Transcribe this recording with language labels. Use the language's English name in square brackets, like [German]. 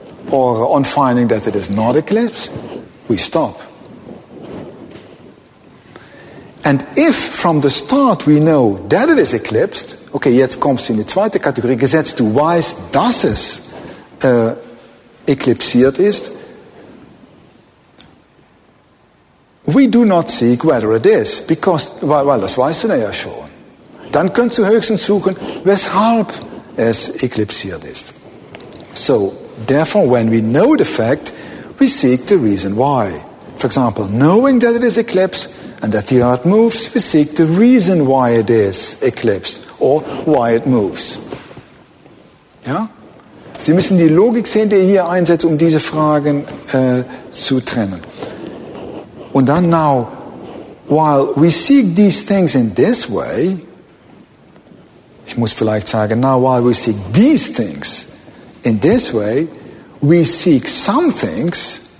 [English] Or on finding that it is not eclipsed, we stop. And if from the start we know that it is eclipsed, [German] okay, jetzt kommst du in die zweite Kategorie, gesetzt du weißt, dass es eklipsiert ist, [English] we do not seek whether it is, because, [German] weil das weißt du ja schon. Dann könntest du höchstens suchen, weshalb es eklipsiert ist. [English] So, therefore, when we know the fact, we seek the reason why. For example, knowing that it is eclipsed and that the earth moves, we seek the reason why it is eclipsed or why it moves. [German] Ja? Sie müssen die Logik sehen, die hier einsetzt, um diese Fragen zu trennen. Und dann [English] now, while we seek these things in this way, [German] ich muss vielleicht sagen, [English] now while we seek these things in this way, we seek some things